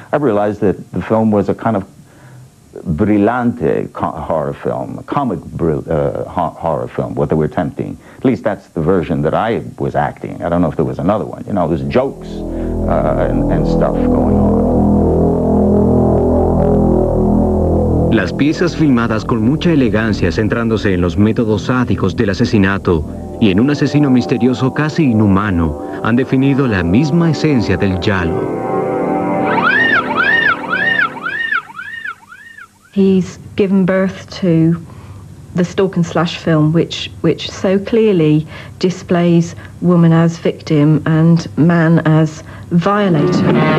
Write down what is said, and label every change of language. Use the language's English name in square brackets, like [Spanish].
[English] I realized that the film was a kind of brillante horror film, comic horror film, what they were attempting. At least that's the version that I was acting. I don't know if there was another one. You know, there's jokes and stuff going on. [Spanish] Las piezas filmadas con mucha elegancia, centrándose en los métodos sádicos del asesinato y en un asesino misterioso casi inhumano, han definido la misma esencia del giallo. [English] He's given birth to the stalk and slash film, which so clearly displays woman as victim and man as violator.